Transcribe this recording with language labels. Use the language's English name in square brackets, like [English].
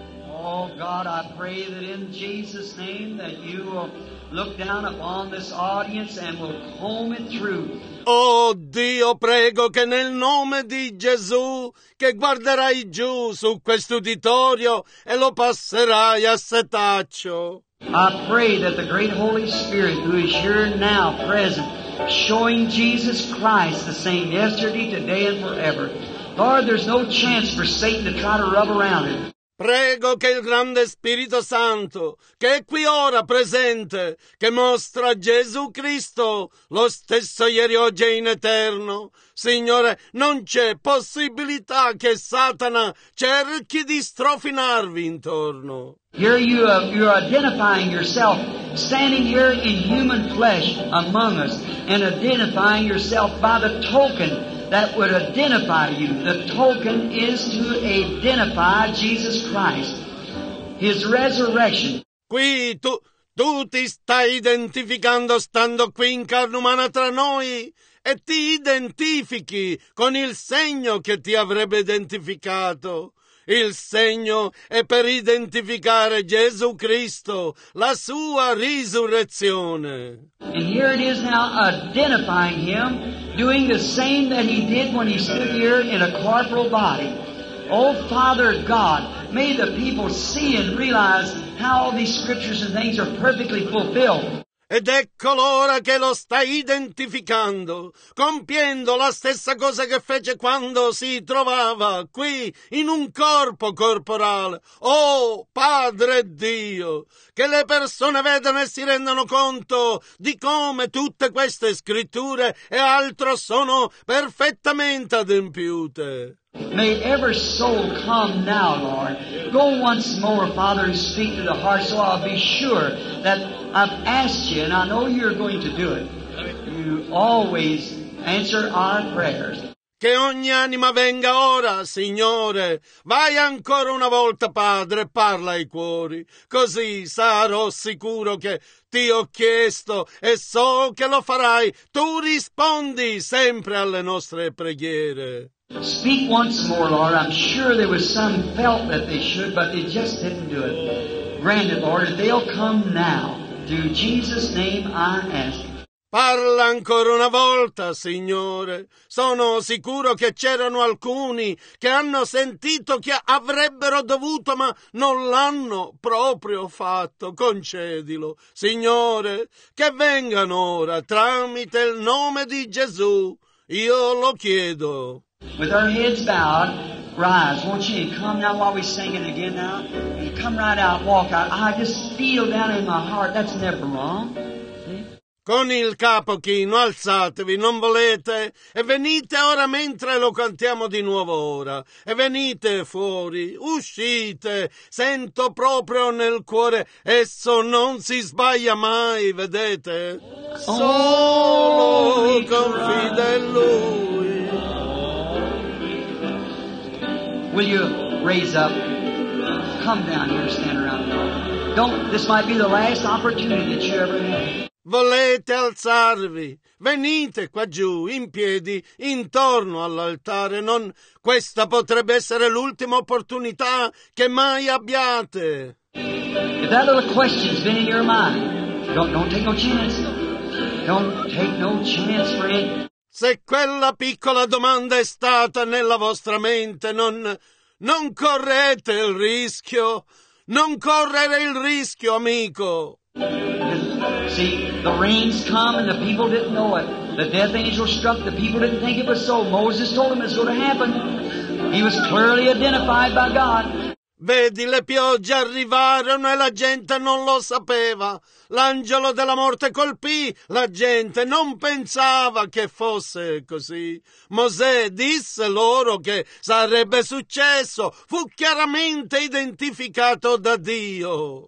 [English] Oh God, I pray that in Jesus' name that you will look down upon this audience and will comb it through. [Italian] Oh Dio, prego che nel nome di Gesù che guarderai giù su quest'uditorio e lo passerai a setaccio. [English] I pray that the great Holy Spirit who is here now present showing Jesus Christ the same yesterday, today and forever. Lord, there's no chance for Satan to try to rub around it. [Italian] Prego che il grande Spirito Santo, che è qui ora presente, che mostra Gesù Cristo, lo stesso ieri, oggi e in eterno. Signore, non c'è possibilità che Satana cerchi di strofinarvi intorno. [English] Here you are identifying yourself, standing here in human flesh among us, and identifying yourself by the token that would identify you. The token is to identify Jesus Christ, His resurrection. [Italian] Qui tu ti stai identificando stando qui in carne umana tra noi e ti identifichi con il segno che ti avrebbe identificato. Il segno è per identificare Gesù Cristo, la sua risurrezione. [English] And here it is now identifying him, doing the same that he did when he stood here in a corporal body. Oh, Father God, may the people see and realize how all these scriptures and things are perfectly fulfilled. [Italian] ed ecco l'ora che lo sta identificando, compiendo la stessa cosa che fece quando si trovava qui in un corpo corporale. Oh, Padre Dio, che le persone vedano e si rendano conto di come tutte queste scritture e altro sono perfettamente adempiute. [English] May every soul come now, Lord. Go once more, Father, and speak to the heart so I'll be sure that I've asked you, and I know you're going to do it. You always answer our prayers. [Italian] Che ogni anima venga ora, Signore. Vai ancora una volta, Padre, parla ai cuori. Così sarò sicuro che ti ho chiesto e so che lo farai. Tu rispondi sempre alle nostre preghiere. [English] Speak once more, Lord. I'm sure there was some felt that they should, but they just didn't do it. Grant it, Lord, they'll come now. In Jesus' name I ask. [Italian] Parla ancora una volta, Signore. Sono sicuro che c'erano alcuni che hanno sentito che avrebbero dovuto, ma non l'hanno proprio fatto. Concedilo, Signore, che vengano ora tramite il nome di Gesù. Io lo chiedo. [English] With our heads bowed, rise. Won't you come now while we sing it again now? Come right out, walk out. I just feel down in my heart. That's never wrong. [Italian] Con il capo chino, alzatevi, non volete? E venite ora mentre lo cantiamo di nuovo ora. E venite fuori, uscite. Sento proprio nel cuore, esso non si sbaglia mai, vedete? Solo confida in Lui. [English] Will you raise up? Come down here, stand around. Don't, this might be the last opportunity that you ever have. [Italian] Volete alzarvi? Venite qua giù, in piedi, intorno all'altare. Non, questa potrebbe essere l'ultima opportunità che mai abbiate. [English] If that little question's been in your mind, don't take no chance. Don't take no chance, friend. [Italian] Se quella piccola domanda è stata nella vostra mente, non correte il rischio. Non correre il rischio, amico. [English] See, the rains come and the people didn't know it. The death angel struck, the people didn't think it was so. Moses told him it's going to happen. He was clearly identified by God. [Italian] Vedi, le piogge arrivarono e la gente non lo sapeva. L'angelo della morte colpì la gente, non pensava che fosse così. Mosè disse loro che sarebbe successo, fu chiaramente identificato da Dio.